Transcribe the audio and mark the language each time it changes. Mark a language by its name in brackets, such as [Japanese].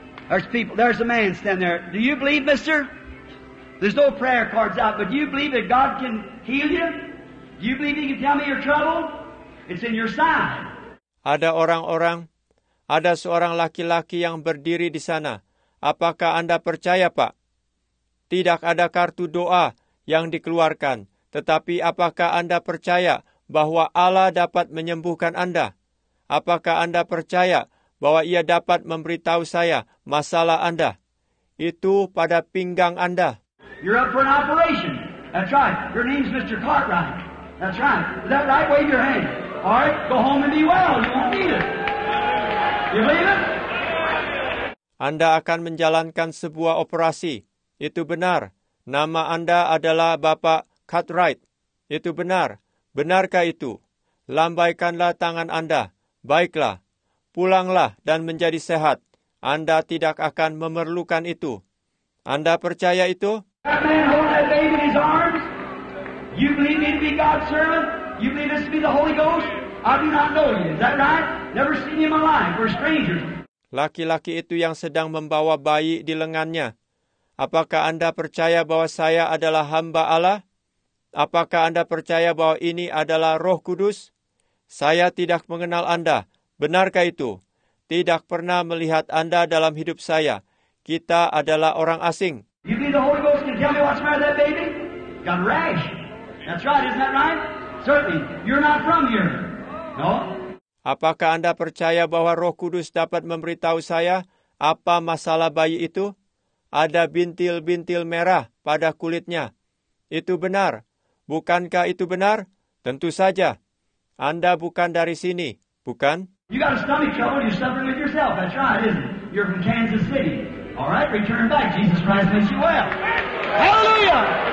[English] There's people, there's a man standing there. Do you believe, mister? There's no prayer cards out, but do you believe that God can heal you? Do you believe he can tell me your trouble? It's in your side. [Indonesian] Ada seorang laki-laki yang berdiri di sana. Apakah Anda percaya, Pak? Tidak ada kartu doa yang dikeluarkan. Tetapi apakah Anda percaya bahwa Allah dapat menyembuhkan Anda? Apakah Anda percaya bahwa Ia dapat memberitahu saya masalah Anda? Itu pada pinggang Anda. [English] You're up for an operation. That's right. Your name's Mr. Cartwright. That's right. Is that right? Wave your hand. All right. Go home and be well. You won't need it. You believe it? [Indonesian] Anda akan menjalankan sebuah operasi. Itu benar. Nama Anda adalah Bapak Cartwright. Itu benar. Benarkah itu? Lambaikanlah tangan Anda. Baiklah. Pulanglah dan menjadi sehat. Anda tidak akan memerlukan itu. Anda percaya itu? [English] That man holding that baby in his arms? You believe me to be God's servant? You believe this to be the Holy Ghost? I do not know you. Is that right? Never seen you in my life. We're strangers. [Indonesian] Laki-laki itu yang sedang membawa bayi di lengannya. Apakah Anda percaya bahwa saya adalah hamba Allah? Apakah Anda percaya bahwa ini adalah Roh Kudus? Saya tidak mengenal Anda. Benarkah itu? Tidak pernah melihat Anda dalam hidup saya. Kita adalah orang asing. [English] You believe the Holy Ghost can tell me what's wrong with that baby? Got a rash. That's right, isn't that right? Certainly. You're not from here. No? [Indonesian] Apakah Anda percaya bahwa Roh Kudus dapat memberitahu saya apa masalah bayi itu? Ada bintil-bintil merah pada kulitnya. Itu benar. Bukankah itu benar? Tentu saja. Anda bukan dari sini, bukan? [English] You got a stomach trouble, you're suffering with yourself. That's right, isn't it? You're from Kansas City. All right, return back. Jesus Christ makes you well. Hallelujah!